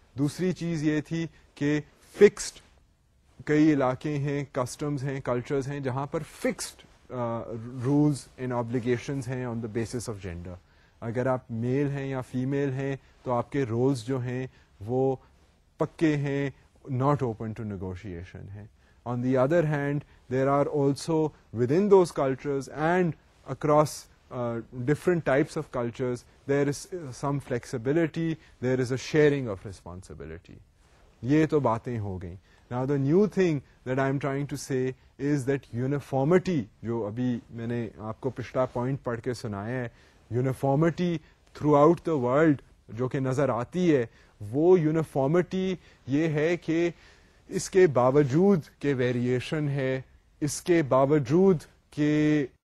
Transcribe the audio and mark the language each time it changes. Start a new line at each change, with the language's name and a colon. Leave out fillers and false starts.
Urdu: دوسری چیز یہ تھی کہ فکسڈ کئی علاقے ہیں, کسٹمز ہیں, کلچرز ہیں, جہاں پر فکسڈ
English: rules and obligations
Urdu: ہیں
English: On the basis of gender.
Urdu: اگر آپ میل ہیں یا فیمیل ہیں تو آپ کے رولز جو ہیں وہ پکے ہیں,
English: not open to negotiation
Urdu: hai.
English: On the other hand, there are also within those cultures and across different types of cultures, there is some flexibility, there is a sharing of responsibility.
Urdu: Ye to baatein ho gayin.
English: Now the new thing that I am trying to say is that uniformity,
Urdu: jo abhi maine aapko pichla point padh ke sunaya hai,
English: uniformity throughout the world
Urdu: jo ke nazar aati hai, وہ uniformity یہ ہے کہ اس کے باوجود کے variation ہے, اس کے باوجود کے